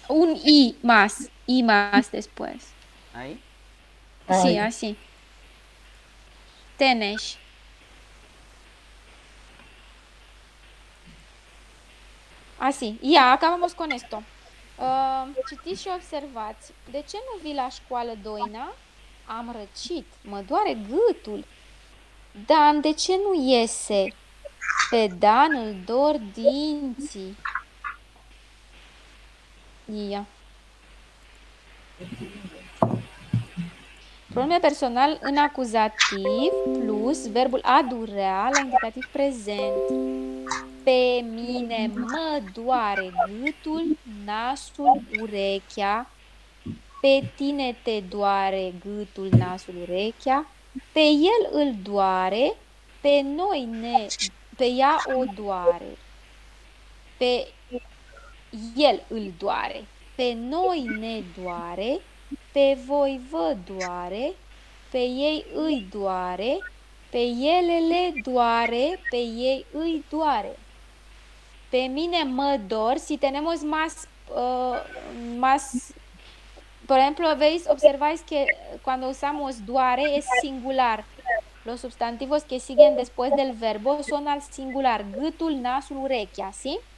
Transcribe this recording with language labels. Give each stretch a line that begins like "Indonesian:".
Spanish: Un I más. I más después. Ahí. Sí, así. Tenes. Así, ya acabamos con esto.
Romanian: Citiți și observați. De ce nu vii la școală, Doina? Am răcit, mă doare gâtul. Dan, de ce nu iese? Pe Dan îl dor dinții. Ia. Pronume personal în acuzativ plus verbul a durea la indicativ prezent. Pe mine mă doare gâtul, nasul, urechea. Pe tine te doare gâtul, nasul, urechea. Pe el îl doare, pe noi ne, pe ea o doare. Pe el îl doare. Pe noi ne doare, pe voi vă doare, pe ei îi doare, pe ele le doare, pe ei îi doare. Pe mine mă dor,
Spanish: si tenemos más, más, por ejemplo, veis, observáis que cuando usamos doare es singular. Los sustantivos que siguen después del verbo son al singular,
Romanian: gâtul, nasul, urechea,
Spanish: ¿sí?